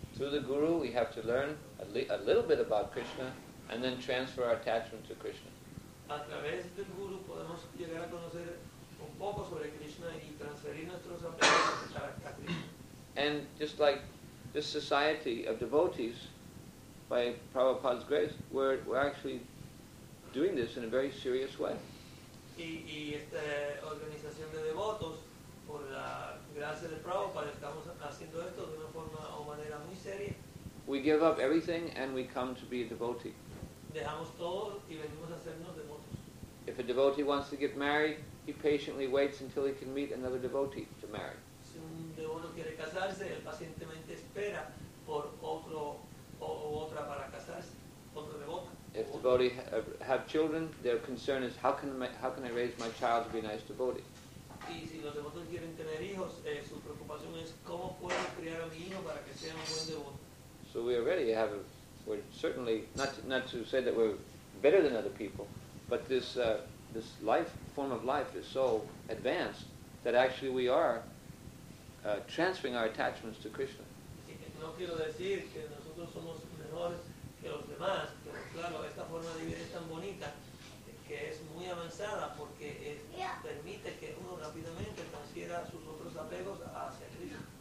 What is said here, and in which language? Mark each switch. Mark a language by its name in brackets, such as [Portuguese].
[English] Through the Guru, we have to learn a little bit about Krishna and then transfer our attachment to Krishna. [Spanish] A través del Guru podemos llegar a conocer un poco sobre Krishna y transferir nuestros apegos a Krishna. [English] And just like this society of devotees, by Prabhupada's grace, we're actually doing this in a very serious way. [Spanish] Y esta organización de devotos, por la gracia de Prabhupada, estamos haciendo esto de una forma o manera muy seria. [English] We give up everything and we come to be a devotee. [Spanish] Dejamos todo y venimos a hacernos devotos. [English] If a devotee wants to get married, he patiently waits until he can meet another devotee to marry. [Spanish] Uno quiere casarse, él pacientemente espera por otro o otra para casarse, otro devoto. [English] If devotees have children, their concern is how can I raise my child to be a nice devotee. [Spanish] Y si los devotos quieren tener hijos, su preocupación es cómo puedo criar a mi hijo para que sea un buen devoto. [English] So we already have we're certainly not to say that we're better than other people, but this life form of life is so advanced that actually we are transferring our attachments to Krishna. [Spanish] No quiero decir que nosotros somos mejores que los demás, pero claro, esta forma de vivir es tan bonita que es muy avanzada porque permite que uno rápidamente transfiera sus otros apegos hacia Krishna.